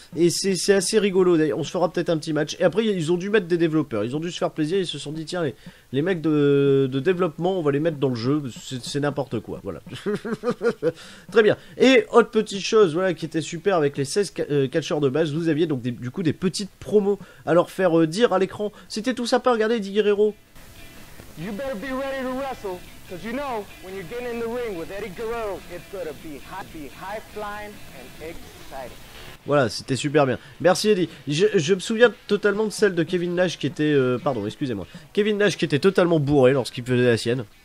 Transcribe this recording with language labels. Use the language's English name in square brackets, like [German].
[French] Et c'est assez rigolo. D'ailleurs, on se fera peut-être un petit match. Et après ils ont dû mettre des développeurs, ils ont dû se faire plaisir, ils se sont dit tiens les mecs de développement on va les mettre dans le jeu, c'est n'importe quoi, voilà. Très bien, et autre petite chose voilà, qui était super avec les 16 catcheurs de base, vous aviez donc des petites promos à leur faire dire à l'écran, c'était tout sympa, regardez Eddie Guerrero. [English] You better be ready to wrestle, cause you know when you're getting in the ring with Eddie Guerrero, it's gonna be high flying and exciting. [French] Voilà, c'était super bien. Merci Eddie. Je me souviens totalement de celle de Kevin Nash qui était... pardon, excusez-moi. Kevin Nash qui était totalement bourré lorsqu'il faisait la sienne.